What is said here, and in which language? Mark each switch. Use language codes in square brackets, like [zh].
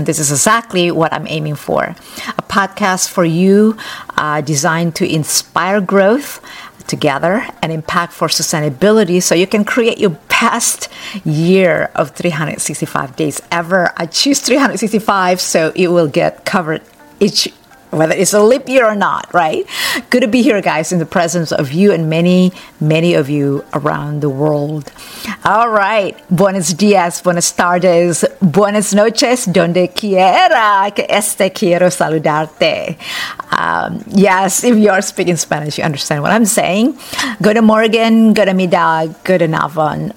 [en] And this is exactly what I'm aiming for. A podcast for you designed to inspire growth together and impact for sustainability so you can create your best year of 365 days ever. I choose 365 so it will get covered each, whether it's a leap year or not, right? Good to be here, guys, in the presence of you and many, many of you around the world. All right. [es] Buenos dias, buenas tardes, buenas noches, donde quiera que este quiero saludarte. [en] Yes, if you are speaking Spanish, you understand what I'm saying. Good morning, good midday, good afternoon.